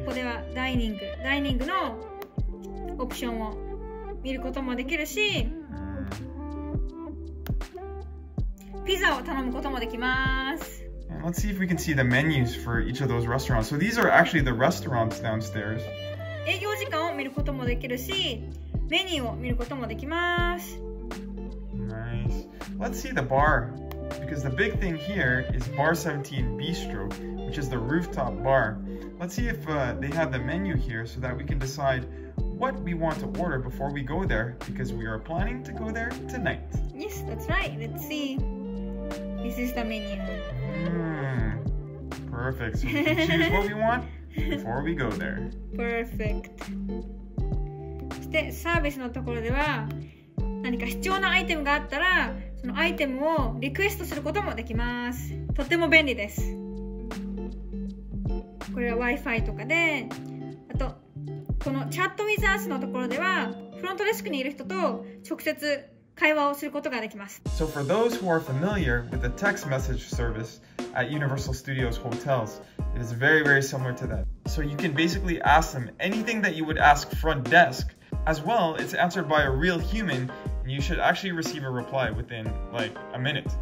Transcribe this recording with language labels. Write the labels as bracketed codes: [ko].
[ja] ここではダイニングのオプションを見ることもできるし、ピザを頼むこともできます。 [en] And let's see if we can see the menus for each of those restaurants. So these are actually the restaurants downstairs. [ja] 営業時間を見ることもできるし、メニューを見ることもできます。 [en] Nice. Let's see the bar. Because the big thing here is Bar 17 Bistro, which is the rooftop bar. Let's see if they have the menu here so that we can decide what we want to order before we go there, because we are planning to go there tonight. Yes, that's right. Let's see. This is the menu. Perfect. So we can choose what we want before we go there. Perfect. [ja] そしてサービスのところでは、何か必要なアイテムがあったら、そのアイテムをリクエストすることもできます。とても便利です。これは Wi-Fi とかで、あとこのチャットウィザースのところでは、フロントデスクにいる人と直接会話をすることができます。 [en] So for those who are familiar with the text message service at Universal Studios Hotels, it is very, very similar to that. So you can basically ask them anything that you would ask front desk. As well, it's answered by a real human. You should actually receive a reply within like a minute.